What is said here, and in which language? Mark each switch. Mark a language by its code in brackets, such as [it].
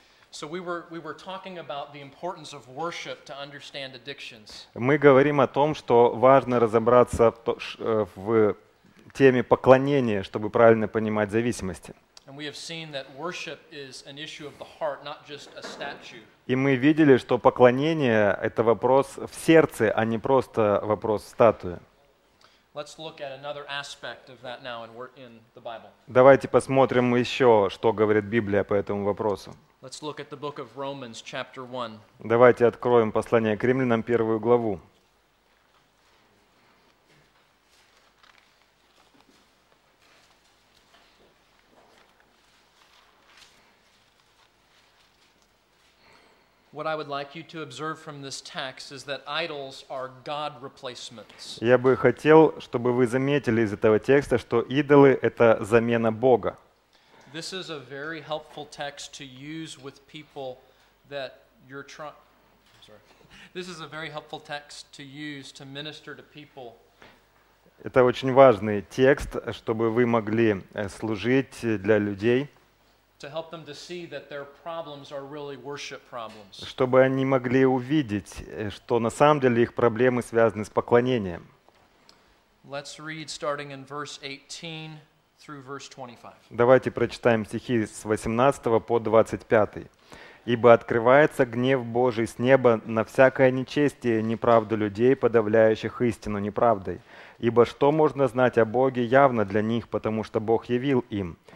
[en] So we were talking about the importance of worship to understand addictions. [ru] Мы говорим о том, что важно разобраться в теме поклонения, чтобы правильно понимать зависимости. [en] And we have seen that worship is an issue of the heart, not just a statue. [ru] И мы видели, что поклонение — это вопрос в сердце, а не просто вопрос статуи. [en] Let's look at another aspect of that now, and we're in the Bible. [ru] Давайте посмотрим еще, что говорит Библия по этому вопросу. [en] Let's look at the book of Romans, chapter 1. [ru] Давайте откроем послание к Римлянам, первую главу. [en] What I would like you to observe from this text is that idols are God replacements. [ru] Я бы хотел, чтобы вы заметили из этого текста, что идолы — это замена Бога. [en] This is a very helpful text to use with people that you're trying. Sorry. This is a very helpful text to use to minister to people. [ru] Это очень важный текст, чтобы вы могли служить для людей. [en] To help them to see that their problems are really worship problems. [ru] Чтобы они могли увидеть, что на самом деле их проблемы связаны с поклонением. [en] Let's read starting in verse 18 through verse 25. [ru] Давайте прочитаем стихи с 18 по 25. Ибо открывается гнев Божий с неба на всякое нечестие и неправду людей, подавляющих истину неправдой. Ибо что можно знать о Боге явно для них, потому что Бог явил им.